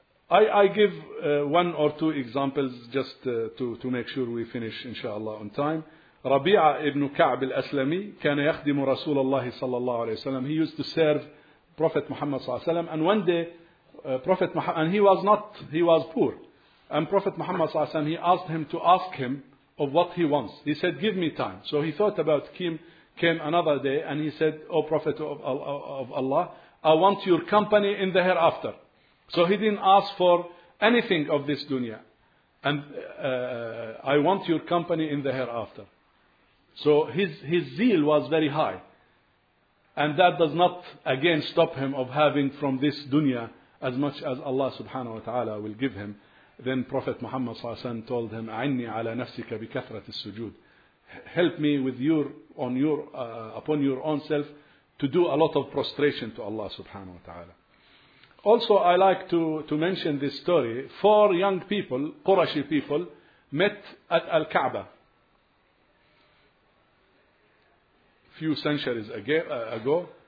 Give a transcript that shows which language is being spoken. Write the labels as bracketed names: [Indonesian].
[English] I give one or two examples just to make sure we finish, inshallah, on time. [Arabic] Rabi'a ibn Ka'b al-Aslami كان يخدم رسول الله صلى الله عليه وسلم. [English] He used to serve Prophet Muhammad صلى الله عليه وسلم. And one day, he was poor. And Prophet Muhammad صلى الله عليه وسلم, he asked him to ask him of what he wants. He said, give me time. So he thought about him. Came another day and he said, O Prophet of Allah, I want your company in the hereafter. So he didn't ask for anything of this dunya. And I want your company in the hereafter. So his zeal was very high. And that does not again stop him of having from this dunya as much as Allah subhanahu wa ta'ala will give him. Then Prophet Muhammad [Arabic] صلى الله عليه وسلم [English] told him, [Arabic] أعني على نفسك بكثرة السجود. [English] Help me with upon your own self to do a lot of prostration to Allah subhanahu wa ta'ala. Also, I like to mention this story. Four young people, Qurashi people, met at Al-Kaaba few centuries ago.